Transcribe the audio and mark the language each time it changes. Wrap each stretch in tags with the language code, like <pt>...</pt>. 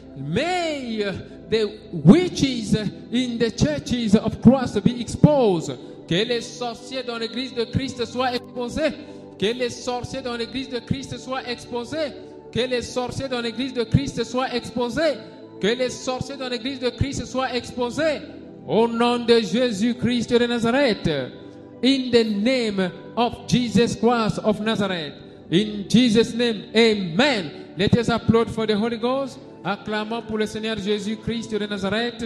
<en>May the witches in the churches of Christ be exposed.</en> <fr>Que les sorciers dans l'église de Christ soient exposés. Que les sorciers dans l'église de Christ soient exposés. Que les sorciers dans l'église de Christ soient exposés. Que les sorciers dans l'église de Christ soient exposés. Au nom de Jésus-Christ de Nazareth.</fr> <en>In the name of Jesus Christ of Nazareth. In Jesus' name, amen. Let us applaud for the Holy Ghost.</en> <fr>Acclamons pour le Seigneur Jésus-Christ de Nazareth.</fr>